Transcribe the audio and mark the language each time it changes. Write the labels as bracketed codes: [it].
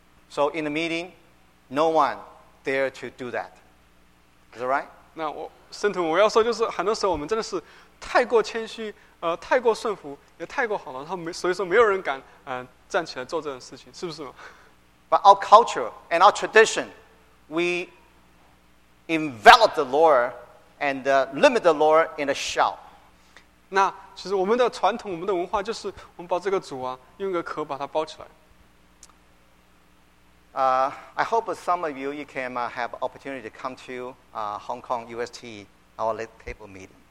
[en] So in the meeting, no one dare to do that. Is that right? [zh] 那我圣徒，我要说就是很多时候我们真的是太过谦虚，太过顺服，也太过好了，然后没，所以说没有人敢站起来做这种事情，是不是吗？ [en] But our culture and our tradition, we invalidate the law and limit the law in a shell. [zh] 那其实我们的传统，我们的文化就是我们把这个主啊，用一个壳把它包起来。 [en] I hope some of you can have opportunity to come to Hong Kong UST, our late table meeting.